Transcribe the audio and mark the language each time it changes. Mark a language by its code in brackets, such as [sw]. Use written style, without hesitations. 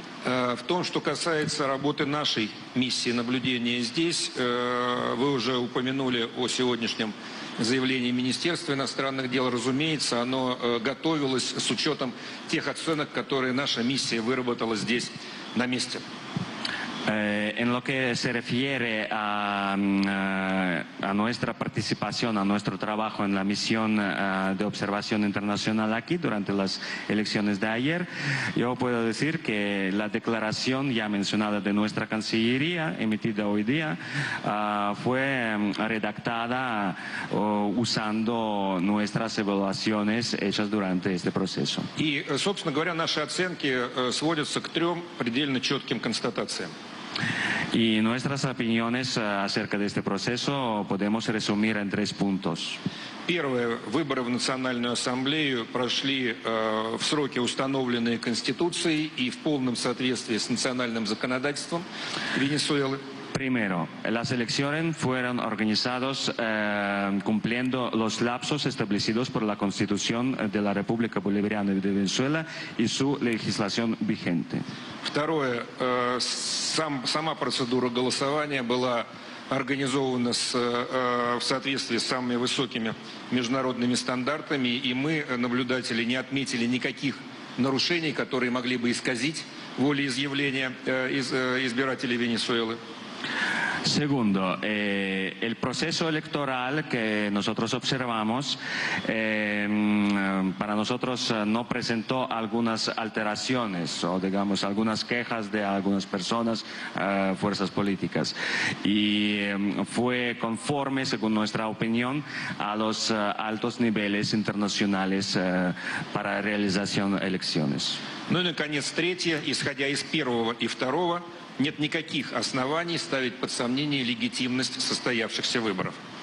[ru] В том, что касается работы нашей миссии наблюдения здесь, вы уже упомянули о сегодняшнем заявлении Министерства иностранных дел. Разумеется, оно готовилось с учетом тех оценок, которые наша миссия выработала здесь на месте. [es] En lo que se refiere a nuestra participación, a nuestro trabajo en la misión de observación internacional aquí durante las elecciones de ayer, yo puedo decir que la declaración ya mencionada de nuestra Cancillería, emitida hoy día, fue redactada usando nuestras evaluaciones hechas durante este proceso. Y, [ru] собственно говоря, наши оценки сводятся к трем предельно четким констатациям. [es] Y nuestras opiniones acerca de este proceso podemos resumir en tres puntos. [ru] Первое, выборы в Национальную Ассамблею прошли в сроки, установленные Конституцией и в полном соответствии с национальным законодательством Венесуэлы. [es] Primero, las elecciones fueron organizadas cumpliendo los lapsos establecidos por la Constitución de la República Bolivariana de Venezuela y su legislación vigente. [ru] Второе, сама процедура голосования была организована в соответствии с самыми высокими международными стандартами, и мы, наблюдатели, не отметили никаких нарушений, которые могли бы исказить волеизъявление избирателей Венесуэлы. [es] Segundo, el proceso electoral que nosotros observamos para nosotros no presentó algunas alteraciones o digamos algunas quejas de algunas personas, fuerzas políticas y fue conforme según nuestra opinión a los altos niveles internacionales para realización de elecciones. [ru] Ну и наконец третье, исходя из первого и второго, нет никаких оснований ставить под сомнение легитимность состоявшихся выборов.